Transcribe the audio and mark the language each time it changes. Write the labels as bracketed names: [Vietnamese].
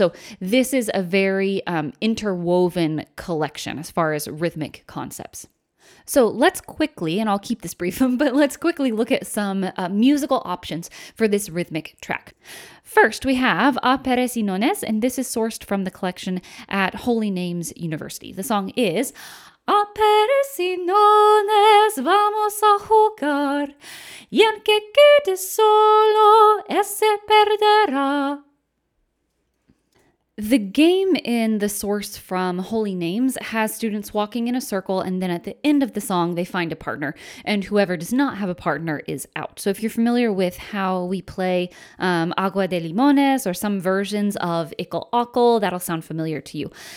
[English] So this is a very interwoven collection as far as rhythmic concepts. So let's quickly, and I'll keep this brief, but let's quickly look at some musical options for this rhythmic track. First, we have A Peres y Nones, and this is sourced from the collection at Holy Names University. The song is [Spanish] A Peres y Nones, vamos a jugar, y el que quede solo, ese perderá. [English] The game in the source from Holy Names has students walking in a circle, and then at the end of the song, they find a partner, and whoever does not have a partner is out. So if you're familiar with how we play Agua de Limones or some versions of Ickle Ockle, that'll sound familiar to you.